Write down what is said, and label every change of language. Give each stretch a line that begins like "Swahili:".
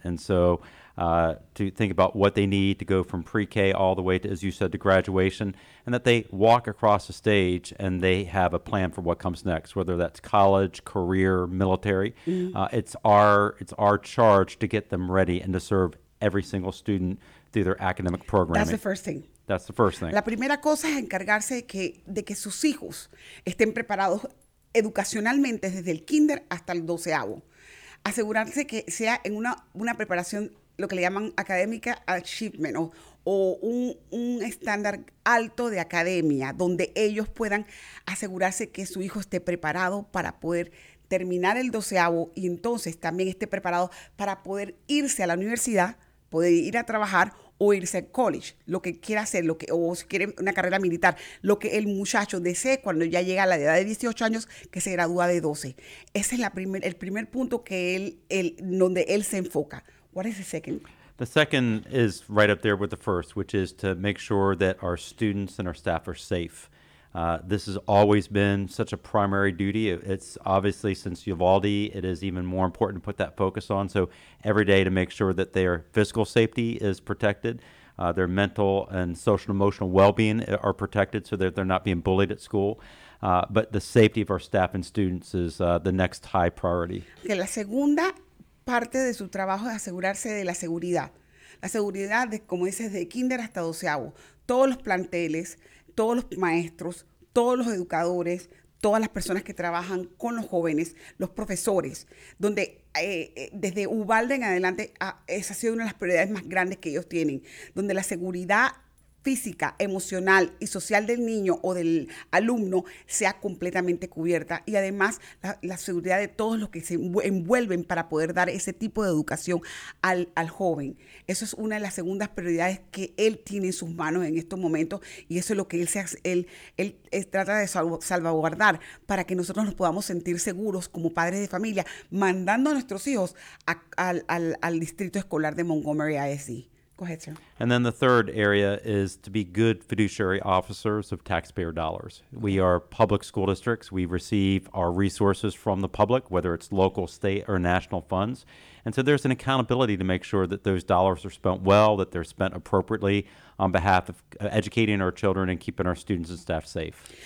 English: And so to think about what they need to go from pre-K all the way to, as you said, to graduation, and that they walk across the stage and they have a plan for what comes next, whether that's college, career, military. Mm-hmm. It's our charge to get them ready and to serve every single student through their academic programming. That's the first thing. That's the first thing.
Spanish: La primera cosa es encargarse de que sus hijos estén preparados educacionalmente desde el kinder hasta el doceavo. Asegurarse que sea en una preparación, lo que le llaman
English: academic achievement
Spanish: o un estándar alto de academia, donde ellos puedan asegurarse que su hijo esté preparado para poder terminar el doceavo y entonces también esté preparado para poder irse a la universidad, poder ir a trabajar o irse al college, lo que quiera hacer, si quiere una carrera militar, lo que el muchacho desee cuando ya llega a la edad de 18 años, que se gradúa de 12. Ese es el primer punto que él se enfoca.
English: What is the second? The second is right up there with the first, which is to make sure that our students and our staff are safe. This has always been such a primary duty. It's obviously, since Uvalde, it is even more important to put that focus on. So every day to make sure that their physical safety is protected, their mental and social emotional well-being are protected so that they're not being bullied at school. But the safety of our staff and students is the next high priority.
Spanish: Okay, la segunda parte de su trabajo es asegurarse de la seguridad. La seguridad, como dices, de kinder hasta doceavo. Todos los planteles, todos los maestros, todos los educadores, todas las personas que trabajan con los jóvenes, los profesores, donde desde Uvalde en adelante, esa ha sido una de las prioridades más grandes que ellos tienen, donde la seguridad física, emocional y social del niño o del alumno sea completamente cubierta y además la seguridad de todos los que se envuelven para poder dar ese tipo de educación al joven. Eso es una de las segundas prioridades que él tiene en sus manos en estos momentos y eso es lo que él trata de salvaguardar para que nosotros nos podamos sentir seguros como padres de familia mandando a nuestros hijos al distrito escolar de Montgomery ISD.
English: Go ahead, sir. And then the third area is to be good fiduciary officers of taxpayer dollars. We are public school districts. We receive our resources from the public, whether it's local, state, or national funds. And so there's an accountability to make sure that those dollars are spent well, that they're spent appropriately on behalf of educating our children and keeping our students and staff safe.